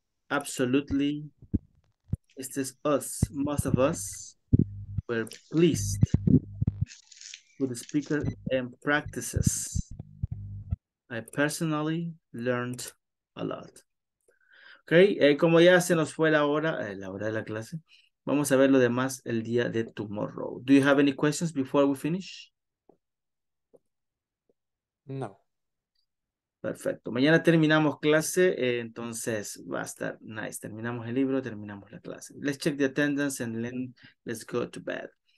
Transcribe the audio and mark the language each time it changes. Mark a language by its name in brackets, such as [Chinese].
[English] Absolutely. This is us. Most of us were pleased with the speaker and practices. I personally learned a lot. [Spanish] Ok, como ya se nos fue la hora de la clase, vamos a ver lo demás el día de [English] tomorrow. Do you have any questions before we finish? No. [Spanish] Perfecto. Mañana terminamos clase, entonces va a estar [English] nice. [Spanish] Terminamos el libro, terminamos la clase. [English] Let's check the attendance and then let's go to bed.